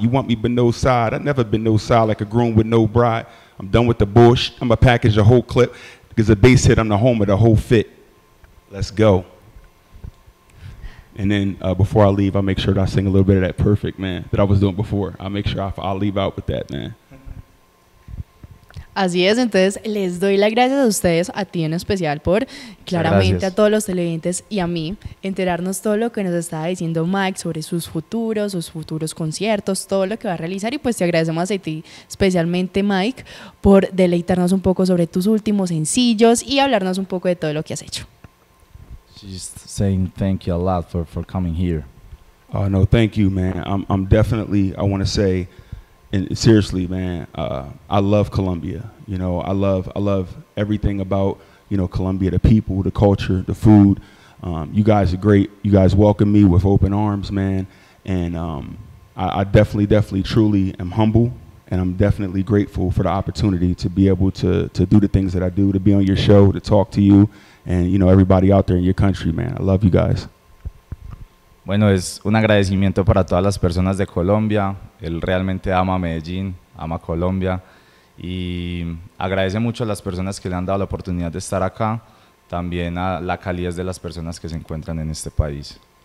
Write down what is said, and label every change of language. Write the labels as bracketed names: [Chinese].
[English] You want me but no side. I never been no side like a groom with no bride. I'm done with the bush. I'ma package the whole clip. Because the bass hit, I'm the home of the whole fit. Let's go. And then before I leave, I make sure that I sing a little bit of that perfect, man, that I was doing before. I make sure I'll leave out with that, man. [Spanish] Así es, entonces les doy las gracias a ustedes, a ti en especial, por claramente a todos los televidentes y a mí enterarnos todo lo que nos estaba diciendo Mike sobre sus futuros conciertos, todo lo que va a realizar, y pues te agradecemos a ti, especialmente Mike, por deleitarnos un poco sobre tus últimos sencillos y hablarnos un poco de todo lo que has hecho. [English] She's saying thank you a lot for coming here. Oh no, thank you, man. I'm definitely, I want to say, and seriously, man, I love Colombia. You know, I love everything about, you know, Colombia, the people, the culture, the food. You guys are great. You guys welcome me with open arms, man. And I definitely, truly am humble, and I'm definitely grateful for the opportunity to be able to do the things that I do, to be on your show, to talk to you, and, you know, everybody out there in your country, man. I love you guys. [Spanish] Bueno, es un agradecimiento para todas las personas de Colombia. Él realmente ama Medellín, ama Colombia. Y agradece mucho a las personas que le han dado la oportunidad de estar acá. También a la calidez de las personas que se encuentran en este país.